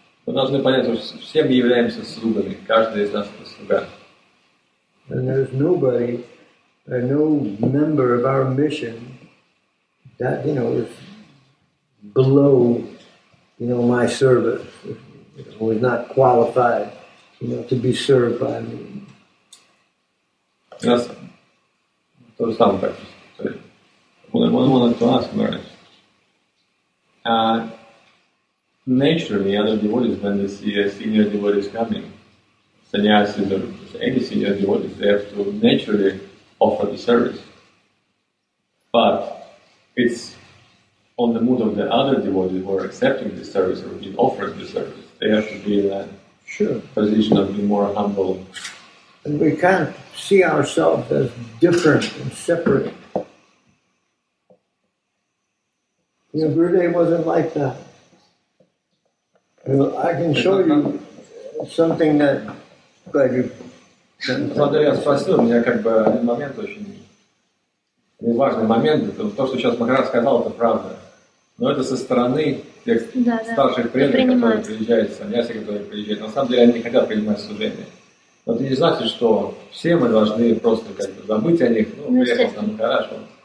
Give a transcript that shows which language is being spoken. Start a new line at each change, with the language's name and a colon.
Russian: Мы должны понять, что все мы являемся слугами, каждый из нас это слуга.
English: And there's nobody, no member of our mission that, you know, is below, you know, my service, you know, is not qualified, you know, to be served by me. Yes.
Russian: То же самое практически.
English: One of the last words. Naturally, other devotees, when they see a senior devotee coming, sannyasis or any senior devotees, they have to naturally offer the service. But it's on the mood of the other devotees who are accepting the service or being offered the service. They have to be in a position of being more humble. And we can't see ourselves as different and separate. You know, Gurudev wasn't like that. You know, I can show you something that... Like,
Russian: важный момент, это то, что сейчас Махарадж сказал, это правда. Но это со стороны тех старших преданных, которые приезжают в саньяси, которые приезжают. На самом деле они не хотят принимать служение. Но это не значит, что все мы должны просто как бы забыть о них, ну, приехал там, хорошо.